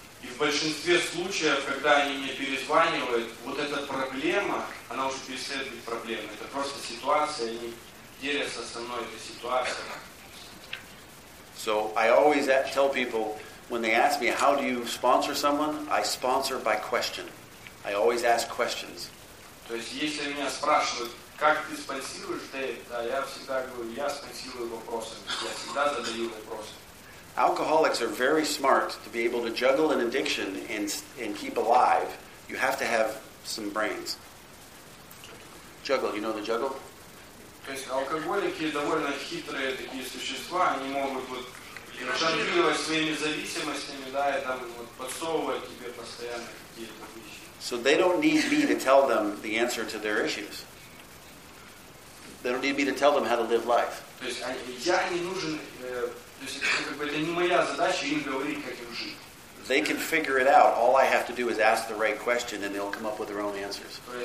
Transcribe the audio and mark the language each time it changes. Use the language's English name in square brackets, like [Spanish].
[Russian] И в большинстве случаев, когда они мне перезванивают, вот эта проблема, она уже перестает быть проблемой. Это просто ситуация, и они делятся со мной этой ситуацией. [English] So I always tell people, when they ask me, how do you sponsor someone? I sponsor by question. I always ask questions. [Russian] То есть, если меня спрашивают, как ты спонсируешь, Дэйв? Да, я всегда говорю, я спонсирую вопросами. Я всегда задаю вопросы. [English] Alcoholics are very smart to be able to juggle an addiction and keep alive. You have to have some brains. Juggle, you know the juggle? [Russian] То есть алкоголики довольно хитрые такие существа. Они могут вот жонглировать своими зависимостями, да, и там вот подсовывать тебе постоянно какие-то вещи. [English] So they don't need me to tell them the answer to their issues. They don't need me to tell them how to live life. They can figure it out. All I have to do is ask the right question and they'll come up with their own answers.